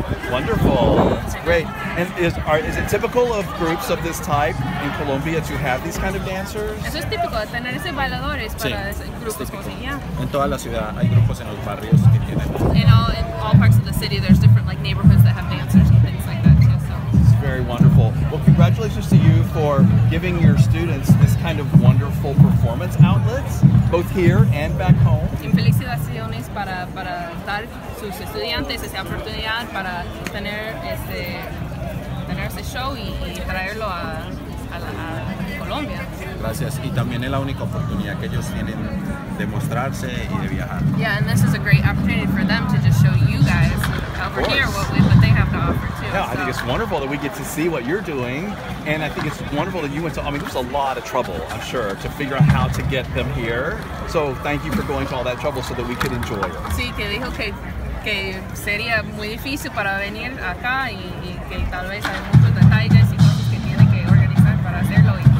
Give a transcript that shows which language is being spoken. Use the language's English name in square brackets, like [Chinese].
[English] Wonderful. Great. And is it typical of groups of this type in Colombia to have these kind of dancers? [Spanish] Eso es típico, tener esos bailadores para grupos como si, yeah. En toda la ciudad hay grupos en los barrios que tienen. [English] In all parts of the city, there's different like neighborhoods that have dancers and things like that too. It's very wonderful. Well, congratulations to you for giving your students this kind of wonderful performance outlets, both here and back home. [Spanish] Y felicitaciones para dar sus estudiantes esa oportunidad para tener ese show y traerlo a Colombia. Gracias. Y también es la única oportunidad que ellos tienen de mostrarse y de viajar. [English] Yeah, and this is a great opportunity for them to just show you guys over here what they have to offer too. Yeah, so. I think it's wonderful that we get to see what you're doing, and I think it's wonderful that you went to, I mean, there's a lot of trouble, I'm sure, to figure out how to get them here. So thank you for going to all that trouble so that we could enjoy it. [Spanish] Sí, que dijo que sería muy difícil para venir acá y que tal vez hay muchos detalles y cosas que tiene que organizar para hacerlo.